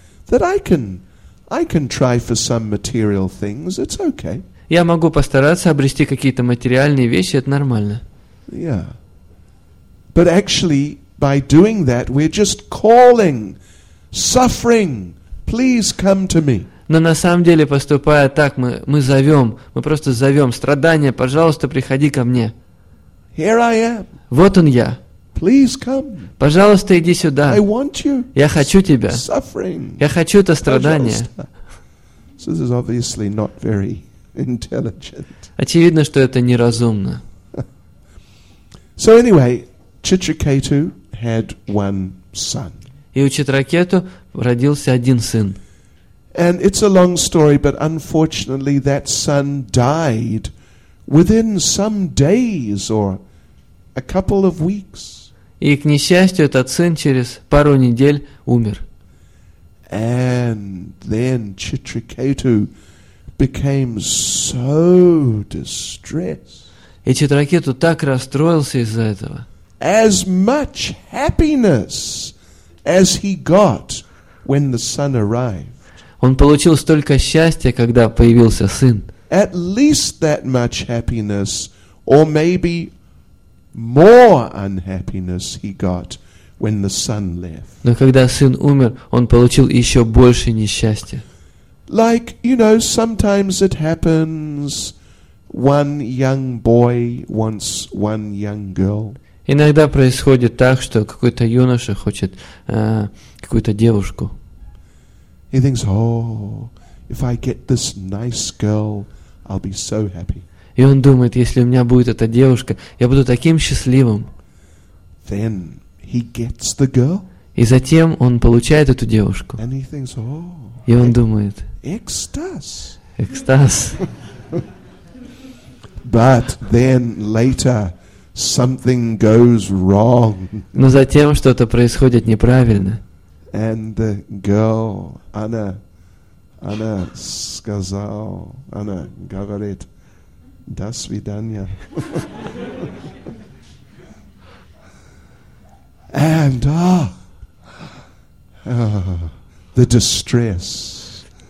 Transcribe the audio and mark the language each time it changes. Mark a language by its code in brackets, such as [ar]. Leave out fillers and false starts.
[en] That I can try for some material things, it's okay. [ru] Я могу постараться обрести какие-то материальные вещи, это нормально. [en] Yeah. But actually, by doing that, we're just calling, suffering, please come to me. [ru] Но на самом деле, поступая так, мы зовем, мы просто зовем страдания, пожалуйста, приходи ко мне. [en] Here I am. [ru] Вот он я. [en] Please come. [ru] Пожалуйста, иди сюда. [en] I want you. [ru] Я хочу тебя. [en] Suffering. [ru] Я хочу это страдание. [en] So this is obviously not very intelligent. [ru] Очевидно, что это неразумно. [en] So anyway, Chitraketu had one son. [ru] И у Читракету родился один сын. [en] And it's a long story, but unfortunately that son died within some days or a couple of weeks. [ru] И, к несчастью, этот сын через пару недель умер. [en] And then Chitraketu became so distressed. [ru] И Читракету так расстроился из-за этого. [en] As much happiness as he got when the son arrived. [ru] Он получил столько счастья, когда появился сын. [en] At least that much happiness, or maybe more unhappiness he got when the son left. [ru] Но когда сын умер, он получил еще больше несчастья. [en] Like, you know, sometimes it happens, one young boy wants one young girl. [ru] Иногда происходит так, что какой-то юноша хочет какую-то девушку. [en] He thinks, oh, if I get this nice girl, I'll be so happy. [ru] И он думает, если у меня будет эта девушка, я буду таким счастливым. [en] Then he gets the girl. [ru] И затем он получает эту девушку. [en] And he thinks, oh. [ru] И он думает. Экстаз. Экстаз. [en] But then later something goes wrong. [ru] Но затем что-то происходит неправильно. [en] And the girl, [ru] Anna, сказал, Anna говорит, до свидания. [en] And the distress.